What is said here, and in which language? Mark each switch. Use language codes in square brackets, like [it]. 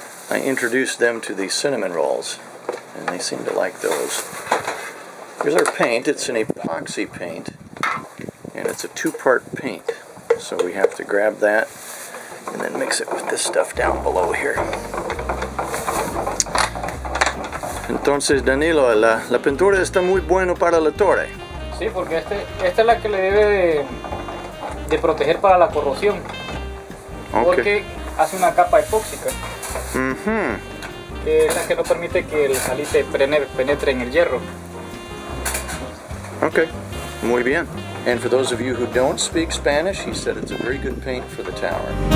[en] I introduced them to the cinnamon rolls, and they seem to like those. Here's our paint. It's an epoxy paint, and it's a two-part paint. So we have to grab that and then mix it with this stuff down below here. [es] Entonces, Danilo, la pintura está muy buena para la torre. Sí, porque esta es la que le debe de proteger para la corrosión. Okay. Porque hace una capa epóxica. Mm-hmm. Que es la que no permite que el salite penetre en el hierro. Okay, muy bien. [en] And for those of you who don't speak Spanish, he said it's a very good paint for the tower.